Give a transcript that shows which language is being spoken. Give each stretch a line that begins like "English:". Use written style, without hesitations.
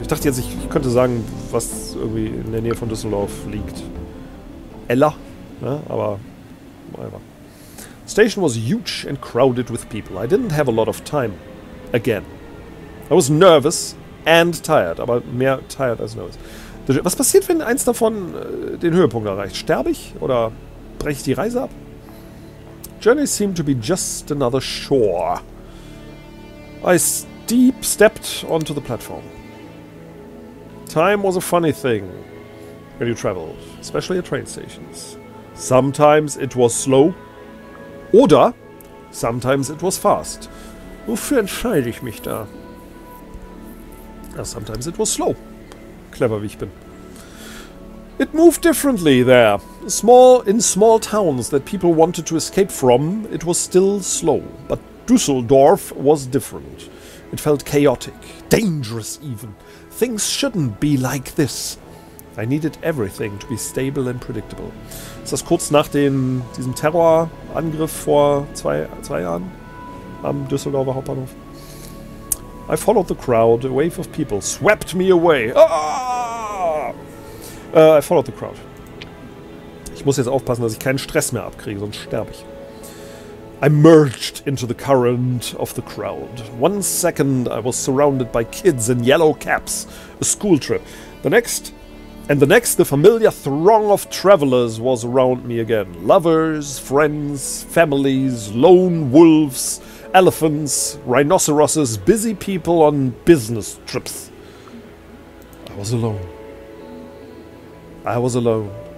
German: Ich dachte jetzt, ich könnte sagen, was irgendwie in der Nähe von Düsseldorf liegt. Ella, ja, aber whatever.
English: The station was huge and crowded with people. I didn't have a lot of time. Again. I was nervous and tired,
German: aber mehr tired als nervous. Was passiert, wenn eins davon den Höhepunkt erreicht? Sterbe ich oder breche ich die Reise ab?
English: Journey seemed to be just another shore. Deep stepped onto the platform. Time was a funny thing when you traveled, especially at train stations. Sometimes it was slow, oder sometimes it was fast.
German: Wofür entscheide ich mich da? Ja,
English: sometimes it was slow.
German: Clever wie ich bin.
English: It moved differently there. In small towns that people wanted to escape from, it was still slow. But Düsseldorf was different. It felt chaotic, dangerous even. Things shouldn't be like this. I needed everything to be stable and predictable.
German: Ist das kurz nach diesem Terrorangriff vor zwei Jahren am Düsseldorfer Hauptbahnhof?
English: I followed the crowd. A wave of people swept me away. I followed the crowd.
German: Ich muss jetzt aufpassen, dass ich keinen Stress mehr abkriege, sonst sterbe ich.
English: I merged into the current of the crowd. One second I was surrounded by kids in yellow caps. A school trip. The next, And the next, the familiar throng of travelers was around me again. Lovers, friends, families, lone wolves, elephants, rhinoceroses, busy people on business trips. I was alone. I was alone.